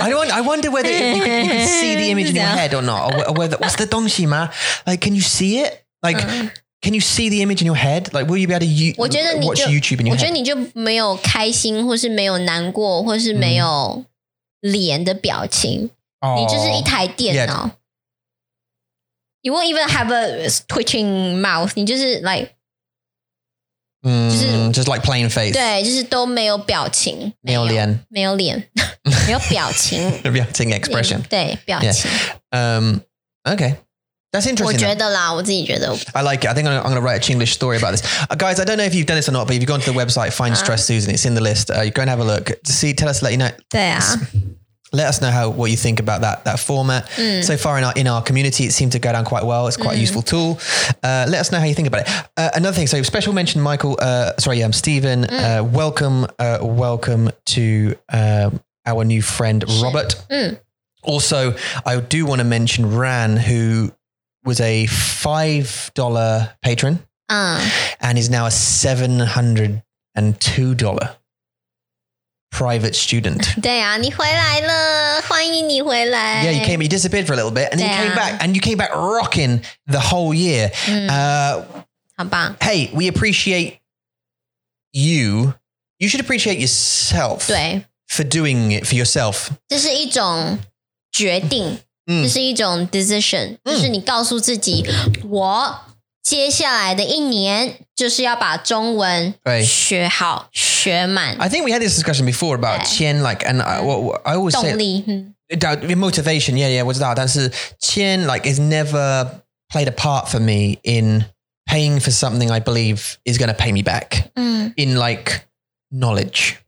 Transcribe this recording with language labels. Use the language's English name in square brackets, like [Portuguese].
[English] I wonder whether you can see the image in your head or not. Or whether, what's the [Chinese] 东西吗? [English] Like, can you see it? Like,、嗯、can you see the image in your head? Like, will you be able to watch YouTube in your head? [Chinese] 我觉得你就没有开心或是没有难过或是没有脸的表情。 [English] Oh, [Chinese] 你就是一台电脑。 [English] Yeah. You won't even have a twitching mouth. [Chinese] 你就是 [English] like... Just like plain face. [Chinese] 对就是都没有表情。没有脸。没有脸。没有表情。表情 [English] expression. [Chinese] 对表情。 [English] Yeah. Okay. That's interesting. [Chinese] 我觉得啦我自己觉得。 [English] I like it. I think I'm going to write a Chinglish story about this.、guys, I don't know if you've done this or not, but if you've gone to the website, find Stress Susan, it's in the list.、you go and have a look. See, tell us, let you know. [Chinese] 对啊。 [English] Let us know how, what you think about that format.、 Mm. So far in our community, it seemed to go down quite well. It's quite、mm. a useful tool.、let us know how you think about it.、another thing, so special mention, Michael, sorry, I'm Stephen.、 Mm. Welcome to、our new friend, Robert.、 Mm. Also, I do want to mention Ran, who was a $5 patron、and is now a $702 patron. Private student. [Chinese] 对啊，你回来了，欢迎你回来。 [English] Yeah, you came, you disappeared for a little bit, and then you came back, and you came back rocking the whole year.、 [Chinese] 好棒。 [English] Hey, we appreciate you. You should appreciate yourself. [Chinese] 对。 [English] For doing it for yourself. [Chinese] 这是一种决定，这是一种 decision， 就是你告诉自己，我接下来的一年就是要把中文学好。 [English] I think we had this discussion before about qian, like, and I always say, [Chinese] 动力, [English] motivation, yeah, [Chinese] 我知道,但是 [English] qian, like, has never played a part for me in paying for something I believe is going to pay me back, in, like, knowledge.